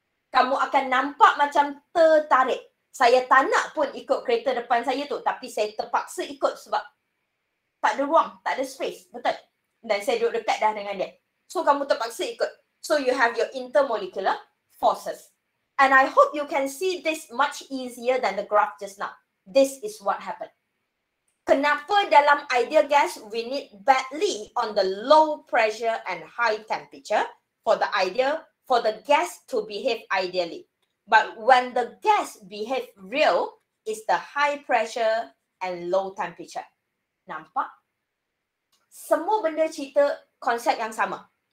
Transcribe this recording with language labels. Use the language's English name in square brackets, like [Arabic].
[Malay] Kamu akan nampak macam tertarik. Saya tak nak pun ikut kereta depan saya tu, tapi saya terpaksa ikut sebab tak ada ruang, tak ada space. Betul? Dan saya duduk dekat dah dengan dia. [English] So, [Malay] kamu terpaksa ikut. [English] So, you have your intermolecular forces. And I hope you can see this much easier than the graph just now. This is what happened. [Malay] Kenapa dalam [English] ideal gas, we need badly on the low pressure and high temperature for the ideal, for the gas to behave ideally. But when the gas behave real, it's the high pressure and low temperature. [Malay] Nampak? Semua benda cerita konsep yang sama.